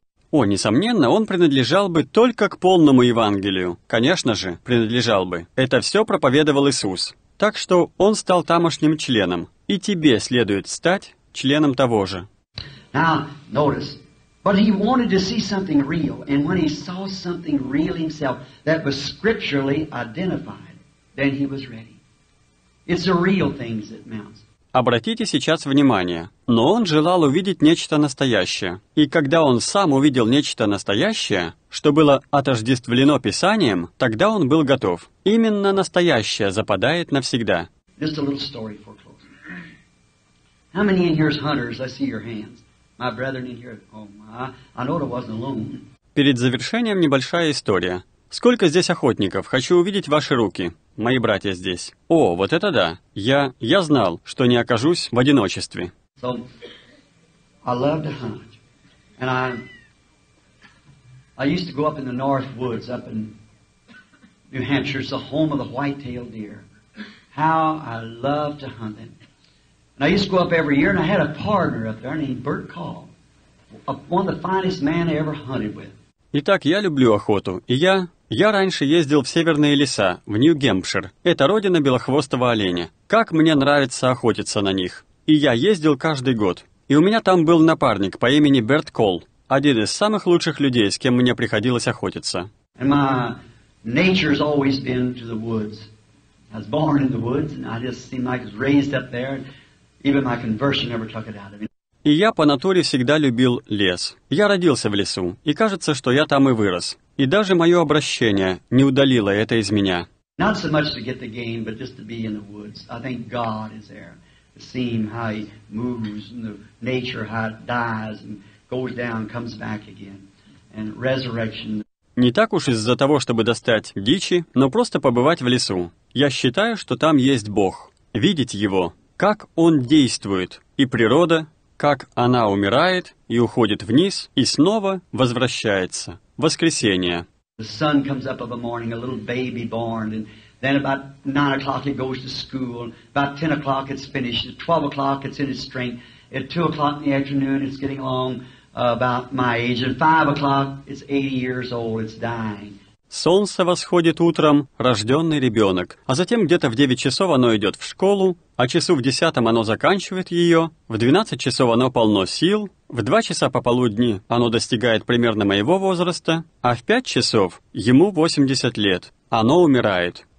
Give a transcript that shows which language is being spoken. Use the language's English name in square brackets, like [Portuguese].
[Russian] О, несомненно, он принадлежал бы только к полному Евангелию. Конечно же, принадлежал бы. Это все проповедовал Иисус. Так что он стал тамошним членом. И тебе следует стать членом того же. [English] Now, notice. But he wanted to see something real, and when he saw something real himself that was scripturally identified, then he was ready. It's the real things that mount. [Russian] Обратите сейчас внимание, но он желал увидеть нечто настоящее. И когда он сам увидел нечто настоящее, что было отождествлено Писанием, тогда он был готов. Именно настоящее западает навсегда. [English] Just a little story for closing. How many in here is hunters? I see your hands. My brethren in here, I know it wasn't alone. [Russian] Перед завершением небольшая история. Сколько здесь охотников? Хочу увидеть ваши руки. Мои братья здесь. О, вот это да. Я знал, что не окажусь в одиночестве. [English] So, I love to hunt. And I used to go up in the north woods up in New Hampshire. It's the home of the white-tailed deer. How I love to hunt them. And I used to go up every year, and I had a partner up there named Bert Call, one of the finest men I ever hunted with. [Russian] Итак, я люблю охоту, и я раньше ездил в северные леса, в Нью-Гемпшир. Это родина белохвостого оленя. Как мне нравится охотиться на них. И я ездил каждый год. И у меня там был напарник по имени Берт Колл, один из самых лучших людей, с кем мне приходилось охотиться. [English] And my nature's always been to the woods. I was born in the woods, and I just seemed like I was raised up there. Even my conversion never took it out of me. [Russian] И я по натуре всегда любил лес. Я родился в лесу, и кажется, что я там и вырос. И даже мое обращение не удалило это из меня. [English] Not so much to get the game, but just to be in the woods. I think God is there. the seam, how he moves, and the nature, how it dies and goes down, comes back again, and resurrection. [Russian] Не так уж из-за того, чтобы достать дичи, но просто побывать в лесу. Я считаю, что там есть Бог. Видеть Его, как Он действует, и природа, как она умирает и уходит вниз, и снова возвращается. Воскресение. [English] The sun comes up of a morning, a little baby born, and then about 9 o'clock it goes to school, about 10 o'clock it's finished, at 12 o'clock it's in its strength, at 2 o'clock in the afternoon it's getting along about my age, and 5 o'clock it's 80 years old, it's dying. [Russian] Солнце восходит утром, рожденный ребенок, а затем где-то в 9 часов оно идет в школу, а часу в 10 оно заканчивает ее, в 12 часов оно полно сил, в 2 часа пополудни оно достигает примерно моего возраста, а в 5 часов ему 80 лет, оно умирает.